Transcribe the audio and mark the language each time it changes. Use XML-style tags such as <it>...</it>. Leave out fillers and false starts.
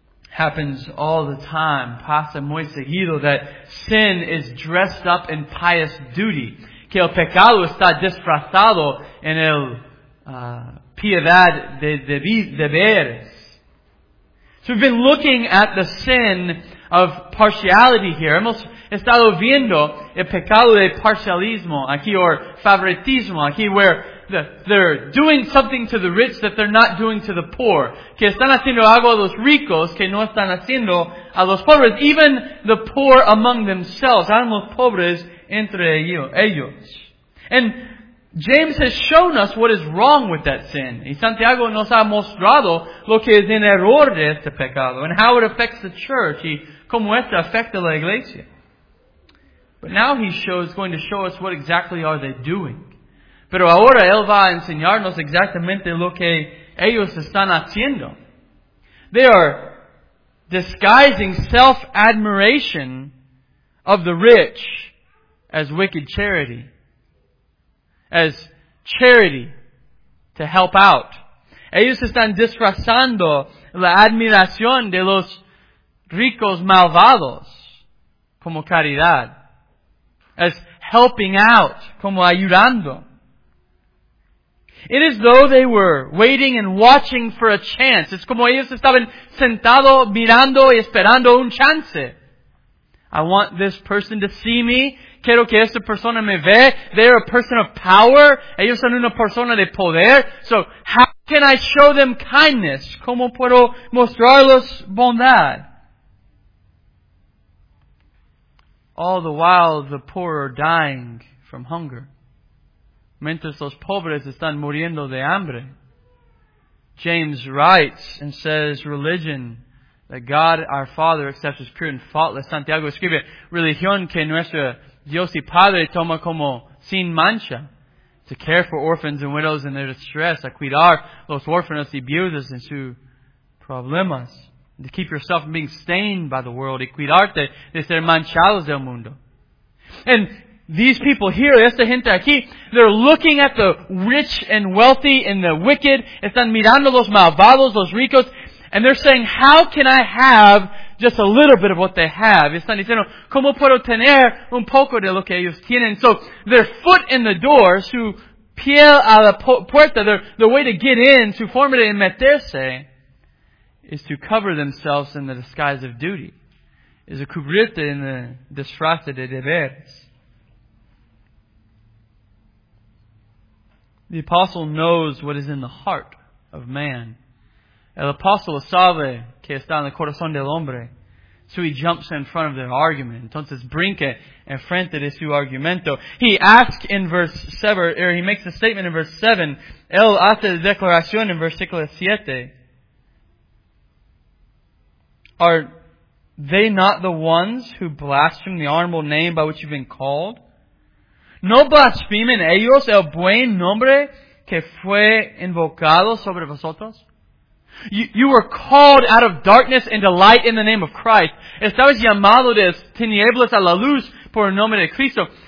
<en>Happens all the time,</en> <es>pasa muy seguido,</es> <en>that sin is dressed up in pious duty.</en> <es>Que el pecado está disfrazado en el piedad de deberes.</es> <en>So we've been looking at the sin of partiality here.</en> <es>Hemos estado viendo el pecado de parcialismo aquí,</es> <en>or</en> <es>favoritismo aquí,</es> <en>where they're doing something to the rich that they're not doing to the poor.</en> <es>Que están haciendo algo a los ricos que no están haciendo a los pobres.</es> <en>Even the poor among themselves.</en> <es>Aún los pobres entre ellos.</es> <en>And James has shown us what is wrong with that sin.</en> <es>Y Santiago nos ha mostrado lo que es en error de este pecado.</es> <en>And how it affects the church.</en> <es>Y cómo esto afecta la iglesia.</es> <en>But now he's going to show us what exactly are they doing.</en> <es>Pero ahora él va a enseñarnos exactamente lo que ellos están haciendo.</es> <en>They are disguising self-admiration of the rich as wicked charity. As charity to help out.</en> <es>Ellos están disfrazando la admiración de los ricos malvados como caridad.</es> <en>As helping out,</en> <es>como ayudando.</es> <en>It is though they were waiting and watching for a chance.</en> <es>Es como ellos estaban sentados mirando y esperando un chance.</es> <en>I want this person to see me.</en> <es>Quiero que esta persona me ve.</es> <en>They are a person of power.</en> <es>Ellos son una persona de poder.</es> <en>So how can I show them kindness?</en> <es>¿Cómo puedo mostrarles bondad?</es> <en>All the while the poor are dying from hunger.</en> <es>Mientras los pobres están muriendo de hambre.</es> <en>James writes and says, religion that God our Father accepts as pure and faultless.</en> <es>Santiago escribe, religión que nuestro Dios y Padre toma como sin mancha.</es> <en>To care for orphans and widows in their distress.</en> <es>A cuidar los órfanos y viudas en sus problemas.</es> <en>And to keep yourself from being stained by the world.</en> <es>Y cuidarte de ser manchados del mundo.</es> <en>And these people here,</en> <es>esta gente aquí,</es> <en>they're looking at the rich and wealthy and the wicked.</en> <es>Están mirando los malvados, los ricos.</es> <en>And they're saying, how can I have just a little bit of what they have?</en> <es>Están diciendo, ¿cómo puedo tener un poco de lo que ellos tienen?</es> <en>So, their foot in the door,</en> <es>su pie a la puerta,</es> <en>their way to get in,</en> <es>su forma de meterse,</es> <en>is to cover themselves in the disguise of duty, is</en> <es>a cubrirte en el disfraz de deberes.</es> <en>The apostle knows what is in the heart of man.</en> <es>El apóstol sabe que está en el corazón del hombre.</es> <en>So he jumps in front of their argument.</en> <es>Entonces brinca en frente de su argumento.</es> <en>He asks in verse 7, or he makes a statement in verse 7.</en> <es>Él hace declaración en versículo 7.</es> <en>Are they not the ones who blaspheme the honorable name by which you've been called?</en> <es>¿No blasfemen ellos el buen nombre que fue invocado sobre vosotros?</es> <en>You were called out of darkness into light in the name of Christ.</en> <es>Estabas llamado de tinieblas a la luz por el nombre de Cristo.</es>